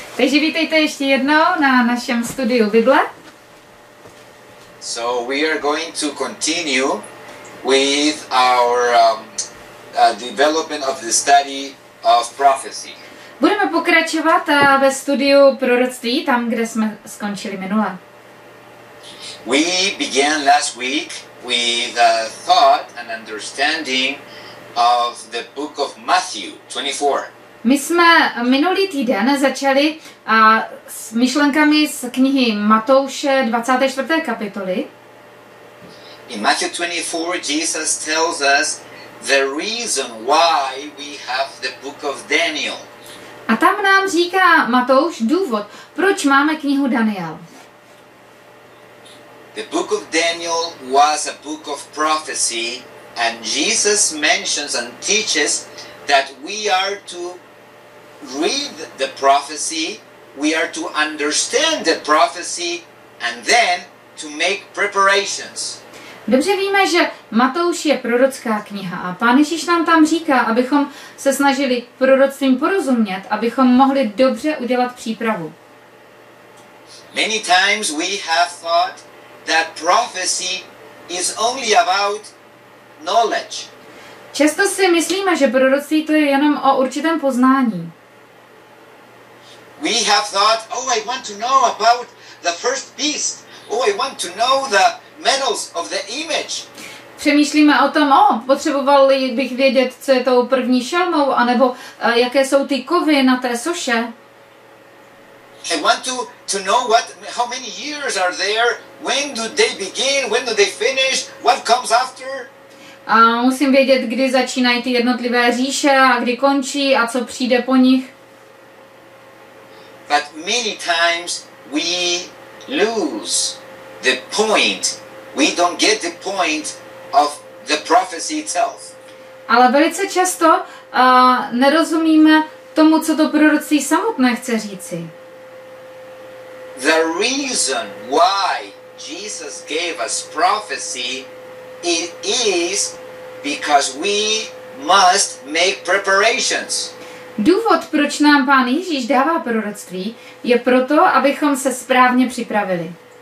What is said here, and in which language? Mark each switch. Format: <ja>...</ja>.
<cs>Takže vítejte ještě jednou na našem studiu Bible.</cs> <en>So we are going to continue with our development of the study of prophecy.</en> <cs>Budeme pokračovat ve studiu proroctví, tam kde jsme skončili minule.</cs> <en>We began last week with a thought and understanding of the book of Matthew 24.</en> <cs>My jsme minulý týden začali s myšlenkami z knihy Matouše 24. kapitoly.</cs> <en>In Matthew 24 Jesus tells us the reason why we have the book of Daniel.</en> <cs>A tam nám říká Matouš důvod, proč máme knihu Daniel.</cs> <en>The book of Daniel was a book of prophecy and Jesus mentions and teaches that we are to read the prophecy, we are to understand the prophecy and then to make preparations.</en> <cs>Dobře víme, že Matouš je prorocká kniha a Pán Ježíš nám tam říká, abychom se snažili proroctvím porozumět, abychom mohli dobře udělat přípravu.</cs> <en>Many times we have thought that prophecy is only about knowledge.</en> <cs>Často si myslíme, že proroctví to je jenom o určitém poznání.</cs> <en>We have thought, oh, I want to know about the first beast. Oh, I want to know the metals of the image.</en> <cs>Přemýšlíme o tom, potřeboval bych vědět, co je tou první šelmou, anebo jaké jsou ty kovy na té soše.</cs> <en>I want to know what, how many years are there, when do they begin, when do they finish, what comes after.</en> <cs>A musím vědět, kdy začínají ty jednotlivé říše a kdy končí a co přijde po nich.</cs> <en>But many times we lose the point. We don't get the point of the prophecy itself.</en> <cs>Ale velice často nerozumíme tomu, co to proroctví samotné chce říci.</cs> <en>The reason why Jesus gave us prophecy, it is because we must make preparations.</en> <cs>Důvod, proč nám Pán Ježíš dává proroctví, je proto, abychom se správně připravili.</cs>